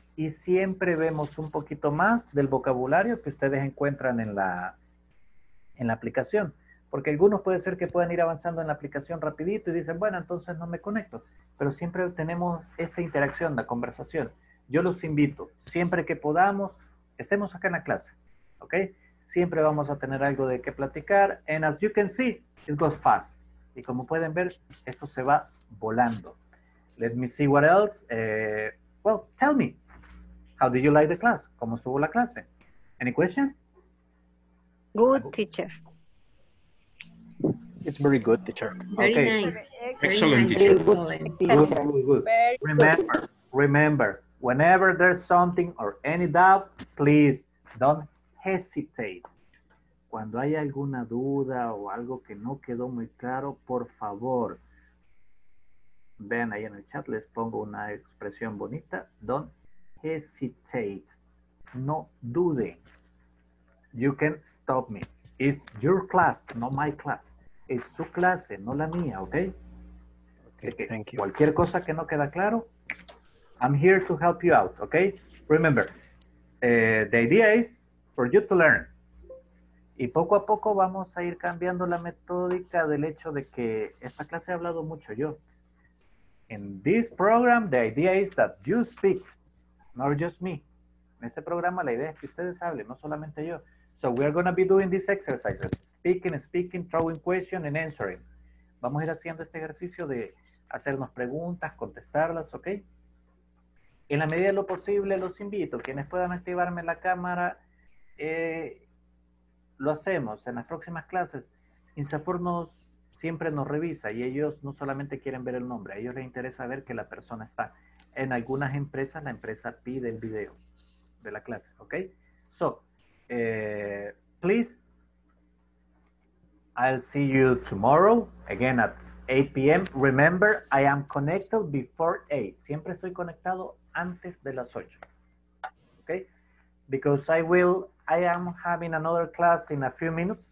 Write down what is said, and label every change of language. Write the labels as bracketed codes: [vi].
[es] Y siempre vemos un poquito más del vocabulario que ustedes encuentran en la aplicación. Porque algunos puede ser que puedan ir avanzando en la aplicación rapidito y dicen, bueno, entonces no me conecto. Pero siempre tenemos esta interacción, la conversación. Yo los invito, siempre que podamos, estemos acá en la clase. ¿Ok? Siempre vamos a tener algo de qué platicar. [en] And as you can see, it goes fast. [es] Y como pueden ver, esto se va volando. [en] Let me see what else. Well, tell me. How did you like the class? [es] ¿Cómo estuvo la clase? [en] Any question? Good, teacher. It's very good, teacher. Very okay. Nice. Excellent, teacher. Good. Remember, whenever there's something or any doubt, please don't hesitate. [es] Cuando hay alguna duda o algo que no quedó muy claro, por favor, vean ahí en el chat, les pongo una expresión bonita. [en] Don't hesitate. [es] No dude. [en] You can stop me. It's your class, not my class. [es] Es su clase, no la mía, ¿ok? [en] Okay, thank you. [es] Cualquier cosa que no queda claro, [en] I'm here to help you out, [es] ¿ok? [en] Remember, the idea is for you to learn. [es] Y poco a poco vamos a ir cambiando la metódica del hecho de que esta clase he hablado mucho yo. [en] In this program, the idea is that you speak, not just me. [es] En este programa la idea es que ustedes hablen, no solamente yo. [en] So we are going to be doing these exercises. Speaking, throwing questions and answering. [es] Vamos a ir haciendo este ejercicio de hacernos preguntas, contestarlas, ¿ok? En la medida de lo posible, los invito. Quienes puedan activarme la cámara, lo hacemos en las próximas clases. INSAFOR siempre nos revisa y ellos no solamente quieren ver el nombre, a ellos les interesa ver que la persona está. En algunas empresas, la empresa pide el video de la clase, ¿ok? [en] So, please, I'll see you tomorrow, again at 8 p.m. Remember, I am connected before 8. [es] Siempre estoy conectado antes de las 8, [en] ¿ok? Because I am having another class in a few minutes.